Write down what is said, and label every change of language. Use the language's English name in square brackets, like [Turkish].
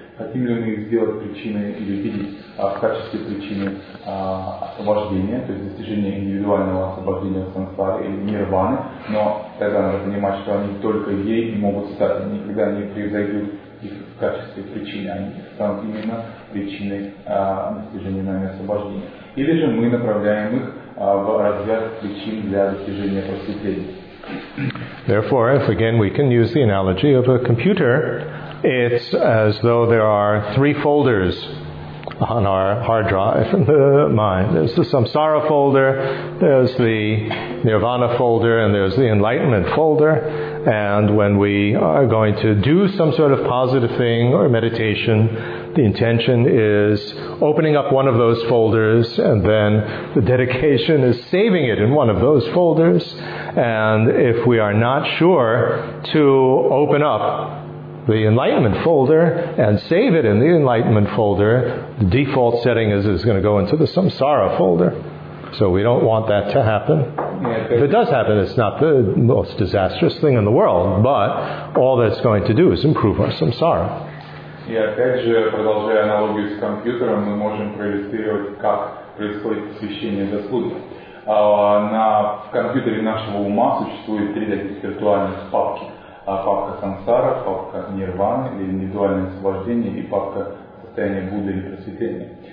[Russian] Хотим ли мы их сделать причиной или видеть в качестве причины освобождения, то есть достижения индивидуального освобождения от сансары или нирваны, но тогда надо понимать, что они только ей и могут стать, никогда не превзойдут их в качестве причины, они станут именно причиной достижения нами освобождения. Или же мы направляем их в разряд причин для достижения просветления. [English] Therefore, if again we can use the analogy of a computer, it's as though there are three folders on our hard drive in the mind. There's the samsara folder, there's the nirvana folder, and there's the enlightenment folder. And when we are going to do some sort of positive thing or meditation, the intention is opening up one of those folders, and then the dedication is saving it in one of those folders. And if we are not sure to open up the enlightenment folder and save it in the enlightenment folder, the default setting is it's going to go into the samsara folder. So we don't want that to happen. If it does happen, it's not the most disastrous thing in the world, but all that's going to do is improve our samsara. [Russian] И опять же, продолжая аналогию с компьютером, мы можем проиллюстрировать, как происходит освещение заслуги. В компьютере нашего ума существует три таких виртуальных папки. Папка сансара, папка нирваны или индивидуальное освобождение и папка состояния Будды или просветления.